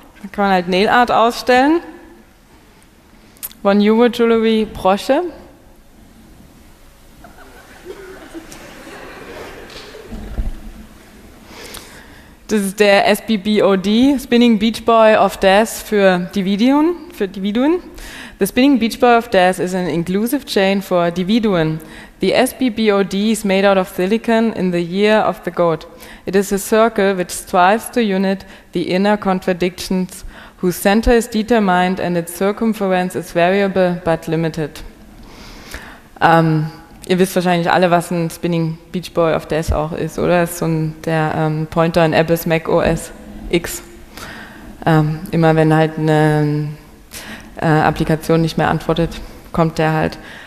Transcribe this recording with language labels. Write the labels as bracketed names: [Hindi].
[German] Da kann man halt Nail Art ausstellen. Von Juwe Jewelry Brosche. Das ist der SBBOD, Spinning Beach Boy of Death für Dividuen. [English] The Spinning Beach Boy of Death is an inclusive chain for Dividuen. The SBBOD is made out of silicon in the year of the goat. It is a circle which strives to unit the inner contradictions whose center is determined and its circumference is variable but limited. [German] ihr wisst wahrscheinlich alle, was ein Spinning Beach Boy of Death auch ist, oder? Das ist so ein, der Pointer in Apples Mac OS X. Immer wenn halt eine Applikation nicht mehr antwortet, kommt der halt.